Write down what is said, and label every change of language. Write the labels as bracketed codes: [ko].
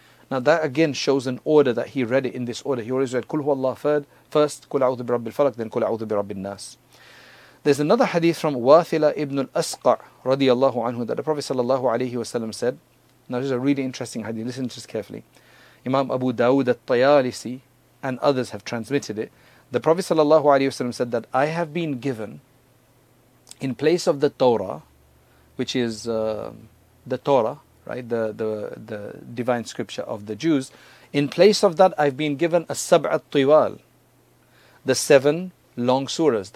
[en] Now that again shows an order that he read it in this order. He always read [ar] قُلْ هُوَ اللَّهُ first, قُلْ أَعُوذُ بِرَبِّ الْفَلَقْ then قُلْ أَعُوذُ بِرَبِّ النَّاسِ. [en] There's another hadith from Wathila ibn al-Asqa' radiallahu anhu that the Prophet sallallahu alayhi wasallam said. Now this is a really interesting hadith, listen just carefully. Imam Abu Dawud al-Tayalisi and others have transmitted it. The Prophet sallallahu alaihi wasallam said that I have been given, in place of the Torah, which is the Torah, right, the divine scripture of the Jews, in place of that I've been given a sab'a al-tiwal, the seven long surahs.